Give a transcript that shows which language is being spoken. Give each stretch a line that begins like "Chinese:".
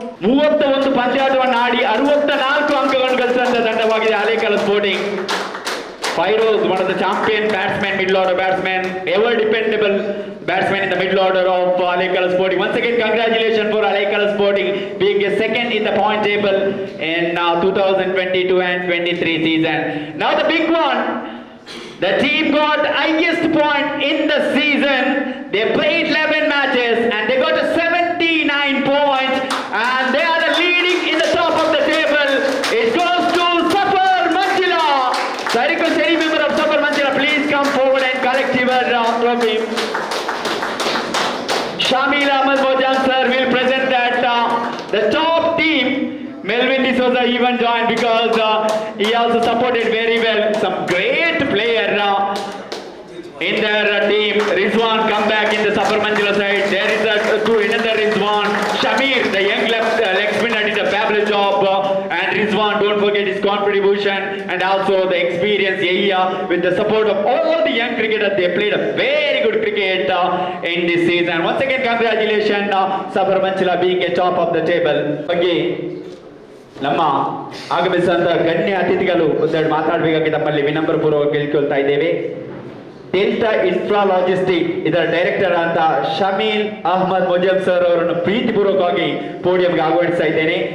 Kannada: 31 ಪಂದ್ಯಾಟವನ್ನು ಆಡಿ 64 ಅಂಕಗಳನ್ನು ಗಳಿಸಿದಂತಹ ತಂಡವಾಗಿದೆ ಅಲೇಕಲ sporting.
English: Firoz one of the champion batsman, middle order batsman, ever dependable batsman in the middle order of Alekala Sporting. Once again congratulation for Alekala Sporting being a second in the point table in 2022 and 2023 season. Now the big one, the team got highest point in the season. They played 11 matches and they got a 79 points and they are the leading in the top of the table. It goes to Safar Manchila. So I request any member of Safar Manchila please come forward and collect your trophy. Shamil Ahmed Bojan sir will present that the top team. Melvin D'Souza even joined because he also supported very well. Some great player in their team. Rizwan come back in the Safar Manchila side. There is another Rizwan. Shamir, the young left leg spinner, did a fabulous job. And Rizwan, don't forget his contribution and also the experience. Yeah, with the support of all the young cricketers, they played a very good cricket in this season. Once again, congratulations Safar Manchila being a top of the table.
Kannada: Again, ನಮ್ಮ ಆಗಮಿಸಿದಂತಹ ಗಣ್ಯ ಅತಿಥಿಗಳು ಒಂದೆರಡು ಮಾತಾಡಬೇಕಾಗಿ ನಮ್ಮಲ್ಲಿ ವಿನಮ್ರಪೂರ್ವಕ ಕೇಳಿಕೊಳ್ತಾ ಇದ್ದೇವೆ. ಟೆಂಟ ಇನ್ಫ್ರಾಲಾಜಿಸ್ಟಿಕ್ ಇದರ director ಆದ Shameel Ahmed ಮೊಜಮ್ sir ಅವರನ್ನು ಪ್ರೀತಿಪೂರ್ವಕವಾಗಿ ಪೋಡಿಯಂಗೆ ಆಹ್ವಾನಿಸ್ತಾ ಇದ್ದೇನೆ.